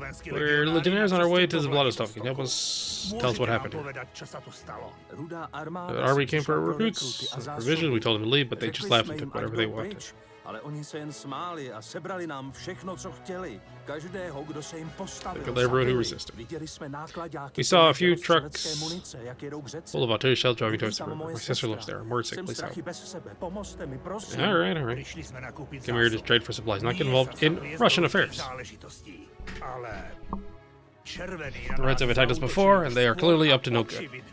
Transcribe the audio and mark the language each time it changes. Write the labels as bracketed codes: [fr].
[en] We're legionnaires on our way to the Vladivostok. Can you help us tell us what happened here? The army came for our recruits. Provisions, we told them to leave, but they just left and took whatever they wanted. [cs] Ale oni se jen smáli a sebrali nám všechno, co chtěli. Každého, kdo se jim postavil, zabili. Viděli jsme nákladňáky. [en] We saw a few trucks full of artillery shells driving towards the river. My sister lives there. I'm worried sick. Please help. All right. Come here to trade for supplies. Not get involved in Russian affairs. The Reds have attacked us before, and they are clearly up to no good.